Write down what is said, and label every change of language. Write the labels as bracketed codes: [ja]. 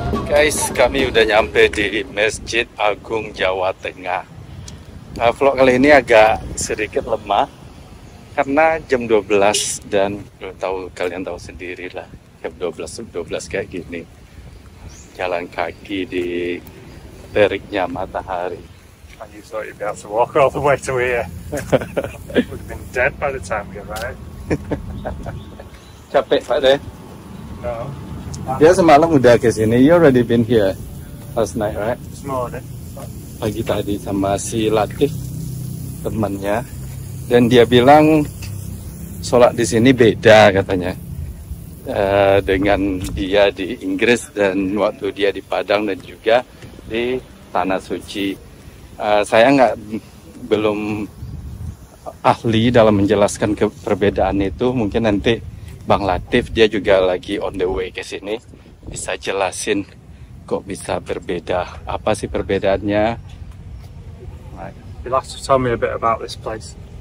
[id] Guys, kami udah nyampe di Masjid Agung Jawa Tengah. Vlog kali ini agak sedikit lemah karena jam 12 dan tahu kalian tahu sendirilah jam 12 kayak gini. Jalan kaki di teriknya matahari. [en] And you thought you'd be able to walk all the way to here? We'd have been dead by the time we arrived. [id] Capek, Pak deh. [en] No. [id] Dia semalam udah ke sini. [en] You already been here last night, right? This morning. [id] Pagi tadi sama si Latif temannya, dan dia bilang sholat di sini beda katanya dengan dia di Inggris dan waktu dia di Padang dan juga di Tanah Suci. Saya nggak belum ahli dalam menjelaskan perbedaan itu. Mungkin nanti Bang Latif, dia juga lagi [en] on the way [id] ke sini, bisa jelasin kok bisa berbeda, apa sih perbedaannya? [en] Right. You'll have to tell me a bit about this place.